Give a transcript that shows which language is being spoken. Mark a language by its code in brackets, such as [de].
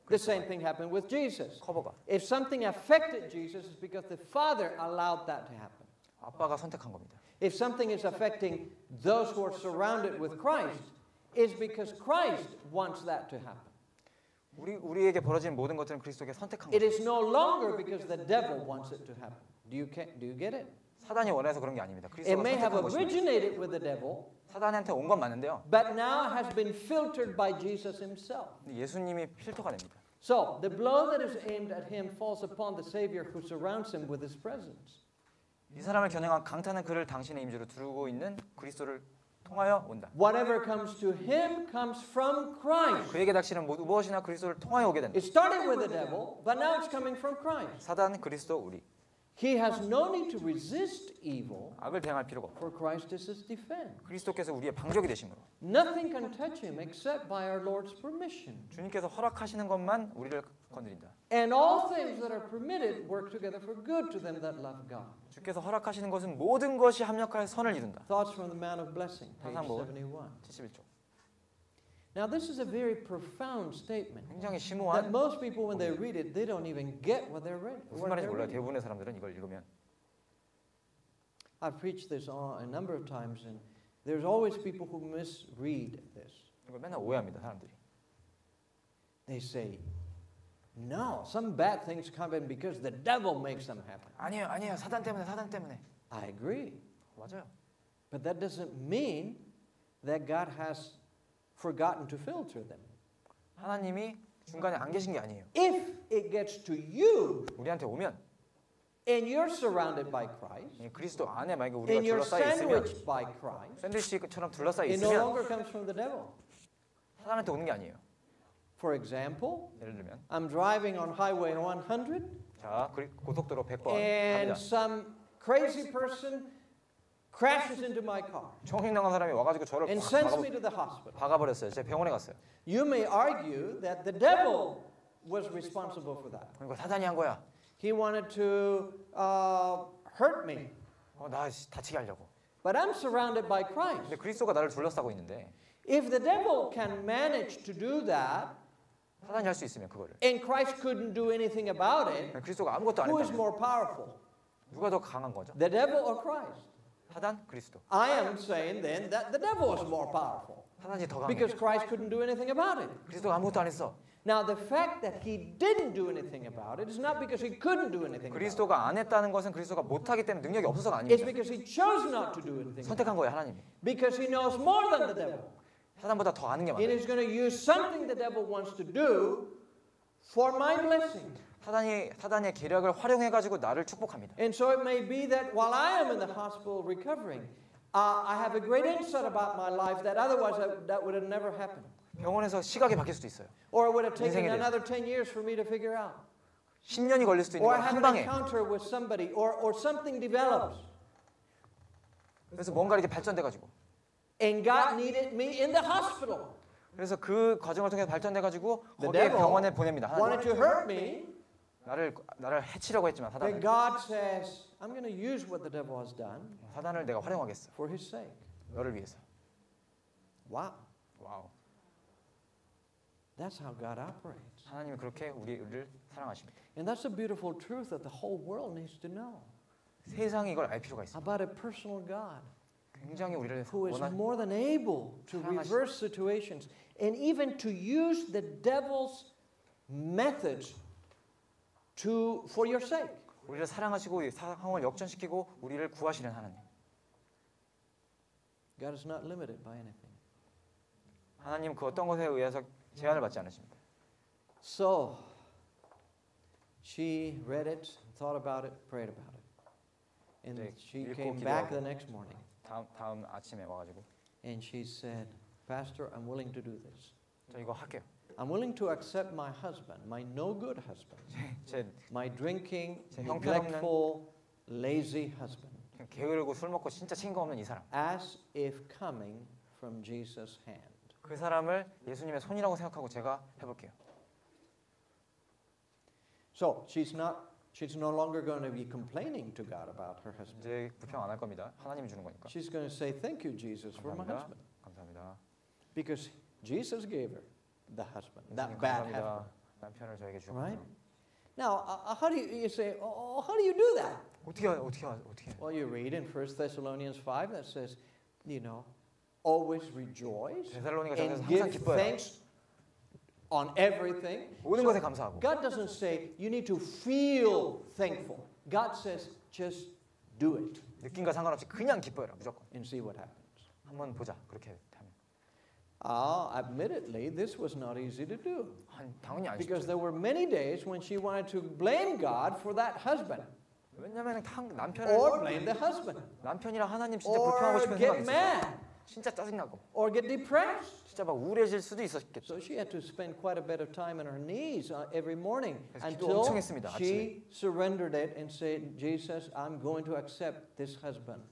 [en] The same thing happened with Jesus. [ko] 커버가. [en] If something affected Jesus, it's because the Father allowed that to happen. [ko] 아빠가 선택한 겁니다. [en] If something is affecting those who are surrounded with Christ, it's because Christ wants that to happen. [ko] 우리에게 벌어진 모든 것들은 그리스도께 선택한 거야. [en] It is no longer because the devil wants it to happen. Do you get it? [ko] 사단이 원해서 그런 게 아닙니다. 그리스도가 [en] It may have originated with the devil. [ko] 사단한테 온 건 맞는데요. [en] But now has been filtered by Jesus himself. [ko] 예수님이 필터가 됩니다. [en] So, the blow that is aimed at him falls upon the Savior who surrounds him with his presence. [ko] 이 사람을 겨냥한 강탄은 그를 당신의 임재로 두르고 있는 그리스도를 통하여 온다. [en] Whatever comes to him comes from Christ. [ko] 그에게 닥치는 무엇이나 그리스도를 통하여 오게 된다. [en] It started with the devil, but now it's coming from Christ. [ko] 사단, 그리스도, 우리. [en] He has no need to resist evil. [ko] 악을 대항할 필요가 없고. [en] For Christ is his defense. [ko] 그리스도께서 우리의 방벽이 되심으로. [en] Nothing can touch him except by our Lord's permission. [ko] 주님께서 허락하시는 것만 우리를 건드린다. [en] And all things that are permitted work together for good to them that love God. [ko] 주께서 허락하시는 것은 모든 것이 합력하여 선을 이룬다. [en] Thoughts from the Man of Blessing, page 71. Now this is a very profound statement. [ko] 굉장히 심오한. [en] That most people when they read it, they don't even get what they're reading. [ko] 무슨 말인지 몰라요. 대부분의 사람들은 이걸 읽으면. [en] I've preached this a number of times, and there's always people who misread this. [ko] 이걸 맨날 오해합니다 사람들이. [en] They say, "No, some bad things happen because the devil makes them happen." [ko] 아니에요, 사단 때문에. [en] I agree. [ko] 맞아요. [en] But that doesn't mean that God has forgotten to filter them. [ko] 하나님이 중간에 안 계신 게 아니에요. [en] If it gets to you, [ko] 우리한테 오면, [en] and you're surrounded by Christ, [ko] 그리스도 안에 만약 우리가 둘러싸여 있으면, 샌드위치처럼 둘러싸여 있으면, [en] it no longer comes from the devil. [ko] 하나님한테 오는 게 아니에요. [en] For example, [ko] 예를 들면, [en] I'm driving on Highway 100. [ko] 자, 고속도로 100번 갑니다. [en] And some crazy person crashes into my car. [ko] 총행당한 사람이 와가지고 저를 [en] and sends me to the hospital. [ko] 박아버렸어요. 제가 병원에 갔어요. [en] You may argue that the devil was responsible for that. [ko] 이거 사단이 한 거야. [en] He wanted to hurt me. [ko] 나 다치게 하려고. [en] But I'm surrounded by Christ. [ko] 근데 그리스도가 나를 둘러싸고 있는데. [en] If the devil can manage to do that, [ko] 사단이 할 수 있으면 그거를. [en] And Christ couldn't do anything about it. [ko] 그리스도가 아무것도 안 했다. [en] Who is more powerful? [ko] 누가 더 강한 거죠? [en] The devil or Christ? [ko] 사단 그리스도. [en] I am saying then that the devil was more powerful. [ko] 사단이 더 강해. [en] Because Christ couldn't do anything about it. [ko] 그리스도가 아무것도 안 했어. [en] Now the fact that he didn't do anything about it is not because he couldn't do anything about it. [ko] 그리스도가 안 했다는 것은 그리스도가 못 하기 때문에 능력이 없어서가 아닙니다. [en] It's because he chose not to do anything. [ko] 선택한 거예요, 하나님이. [en] Because he knows more than the devil. [ko] 사단보다 더 아는 게 많아요. [en] He is going to use something the devil wants to do for my blessing. [ko] 사단의 계략을 활용해 가지고 나를 축복합니다. [en] And so it may be that while I am in the hospital recovering, I have a great insight about my life that otherwise that would have never happened. [ko] 병원에서 시각이 바뀔 수도 있어요. [en] Or it would have taken another 10 years for me to figure out. [ko] 10년이 걸릴 수도 있는 거예요. [en] Or I have an encounter with somebody or something develops. [ko] 그래서 뭔가 이렇게 발전돼 가지고. [en] And God needed me in the hospital. [ko] 그래서 그 과정을 통해 발전돼 가지고 거기에 병원에 보냅니다. 하나님. [en] Wanted to hurt me. [ko] 나를 해치려고 했지만 사단. [en] But God says, I'm going to use what the devil has done. [ko] 사단을 내가 활용하겠어. [en] For his sake. [ko] 너를 위해서. [en] Wow. Wow. That's how God operates. [ko] 하나님이 그렇게 우리를 사랑하십니다. [en] And that's a beautiful truth that the whole world needs to know. [ko] 세상이 이걸 알 필요가 있어. [en] About a personal God. [ko] 굉장히 우리를 [en] who is more than able to reverse situations and even to use the devil's methods to for your sake. [ko] 우리를 사랑하시고 상황을 역전시키고 우리를 구하시는 하나님. [en] God is not limited by anything. [ko] 하나님 그 어떤 것에 의해서 제안을 받지 않으십니다. [en] So she read it, thought about it, prayed about it. And she came back the next morning. [ko] 다음 아침에 와 가지고 [en] and she said, "Pastor, I'm willing to do this." [ko] 저 이거 할게요. [en] "I'm willing to accept my husband, my no good husband." [ko] 제 [en] my drinking, neglectful, lazy husband. [ko] 게으르고 술 먹고 진짜 친구 없는 이 사람. [en] As if coming from Jesus' hand. [ko] 그 사람을 예수님의 손이라고 생각하고 제가 해볼게요. [en] So she's no longer going to be complaining to God about her husband. [ko] 이제 불평 안 할 겁니다. 하나님이 주는 거니까. [en] She's going to say thank you, Jesus, for my husband. [ko] 감사합니다. [en] Because Jesus gave her the husband, that bad husband. [ko] 남편을 저에게 주셨네요. [en] Now, how do you say? Oh, how do you do that? [ko] 어떻게? [en] Well, you read in 1 Thessalonians 5 that says, you know. Always rejoice and give thanks on everything. [ko] 모든 것에 감사하고. [en] God doesn't say you need to feel thankful. God says just do it. [ko] 느낌과 상관없이 그냥 기뻐해라 무조건. [en] And see what happens. [ko] 한번 보자 그렇게 하면. [en] Admittedly, this was not easy to do. [ko] 당연히 안 [en] Because there were many days when she wanted to blame God for that husband. [ko] 왜냐면 남편을 [en] blame the husband. [ko] 남편이랑 하나님 진짜 불평하고 싶은 생각이 있었어. 진짜 짜증나고. [en] Or get depressed. [ko] 진짜 막 우울해질 수도 있었겠죠. [en] So she had to spend quite a bit of time on her knees every morning until [ko] 엄청 했습니다, [en] she surrendered it and said, "Jesus, I'm going to accept this husband."